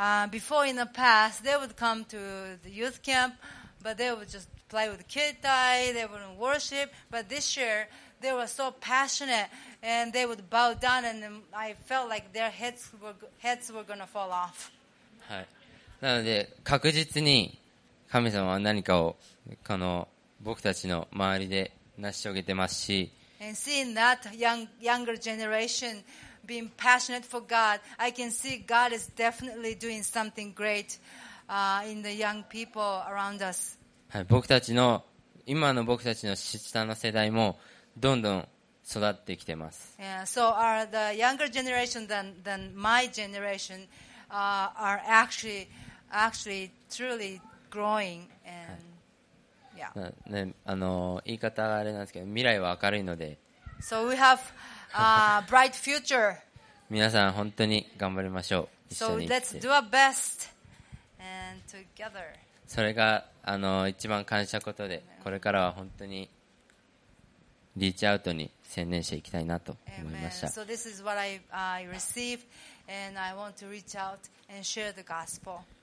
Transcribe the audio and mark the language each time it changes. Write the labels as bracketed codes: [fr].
[en] Before in the past, they would come to the youth camp, but they would just play with kitai, they wouldn't worship. But this year, they were so passionate, and they would bow down, and I felt like their heads were gonna fall off. [ja] はい。なので確実に神様は何かをこの僕たちの周りで成し遂げてますし、 [en] And seeing that younger generation being passionate for God, I can see God is definitely doing something great in the young people around us. [ja] はい、僕たちの今の僕たちの下の世代もどんどん育ってきてます。 [en] Yeah, so are the younger generation than my generation are actually truly growing and、はい、 [ja] ね、言い方があれなんですけど、未来は明るいので、 [en] so we have a bright future. [ja] 皆さん本当に頑張りましょう。一緒に、 [en] so let's do our best and together. [ja] それが一番感謝ことで、これからは本当にリーチアウトに専念していきたいなと思いました。 [en] Amen. So this is what I received, and I want to reach out and share the gospel.